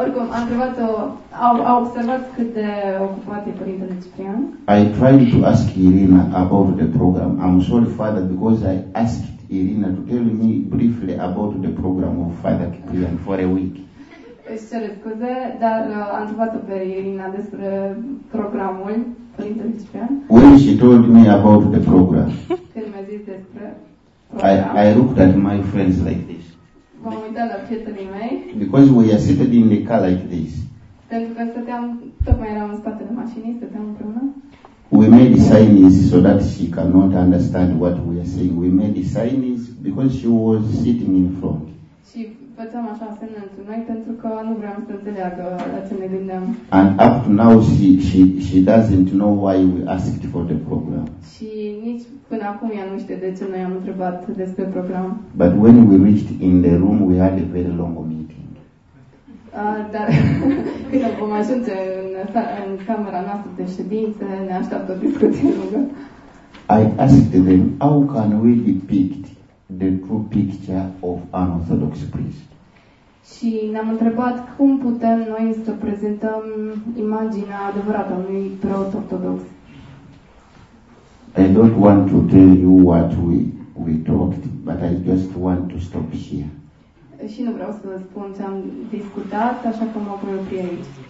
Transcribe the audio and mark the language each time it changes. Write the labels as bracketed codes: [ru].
[ro] Deci părintele nu sunt aici. Oricum, am întrebat-o, au observat cât de ocupat e părintele Ciprian? [en] I tried to ask Irina about the program. I'm sorry, Father, because I asked Irina to tell me briefly about the program of Father Ciprian for a week. [ro] Îți cere scuze, dar am întrebat-o pe Irina despre programul părintele Ciprian. [en] When she told me about the program. [ro] Când mi-a zis despre [en] program. I looked at my friends like this. [ro] M-am uitat la prietenii mei. [en] Because we are seated in the car like this. [ro] Pentru că stăteam, tocmai eram în spatele mașinii, stăteam împreună. [en] We made signs so that she cannot understand what we are saying. We made signs because she was sitting in front. [ro] Și făceam așa semne între noi pentru că nu vreau să înțeleagă la ce ne gândeam. [en] And up to now she doesn't know why we asked for the program. [ro] Și nici până acum ea nu știe de ce noi am întrebat despre program. [en] But when we reached in the room, we had a very long meeting. [ro] Dar când am ajuns în camera noastră de ședință, ne așteaptă o discuție lungă. [en] I asked them, how can we depict the true picture of an Orthodox priest? [ro] Și ne-am întrebat cum putem noi să prezentăm imaginea adevărată a unui preot ortodox. [en] I don't want to tell you what we talked, but I just want to stop here. [ro] Și nu vreau să vă spun ce am discutat, așa că mă opresc aici.